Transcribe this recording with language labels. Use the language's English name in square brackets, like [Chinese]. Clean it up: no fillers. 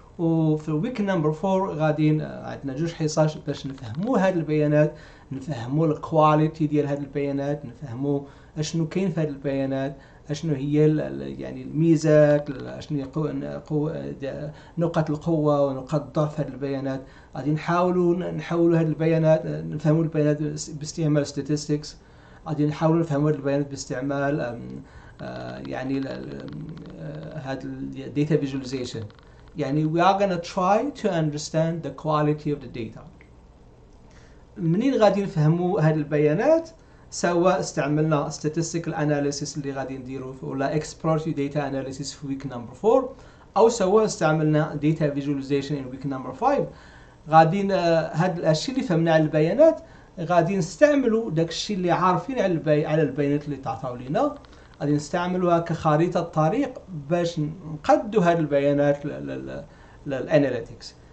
[Arabic] وفي ويك نمبر 4 غادي عندنا جوج حصص باش نفهموا هاد البيانات، نفهموا الكواليتي ديال هاد البيانات، نفهموا اشنو كاين في هاد البيانات، اشنو هي يعني الميزات، اشنو هي نقاط القوه ونقاط الضعف هاد البيانات. غادي نحاولوا هاد البيانات، نفهموا البيانات باستعمال statistics. غادي نحاولوا نفهموا هاد البيانات باستعمال يعني هاد الداتا فيجواليزيشن. [English] يعني we are gonna try to understand the quality of the data. [Arabic] منين غادي نفهموا هاد البيانات، سواء استعملنا [English] statistical analysis [Arabic] اللي غادي نديرو ولا [English] exploratory data analysis [Arabic] في [English] week number 4، [Arabic] او سواء استعملنا [English] data visualization in week number 5، [Arabic] غادي هاد الاشي اللي فهمنا على البيانات غادي نستعملوا داك الشيء اللي عارفين على البيانات اللي تعطاو لينا، غادي نستعملوها كخريطة طريق باش نقدو هاد البيانات للاناليتكس.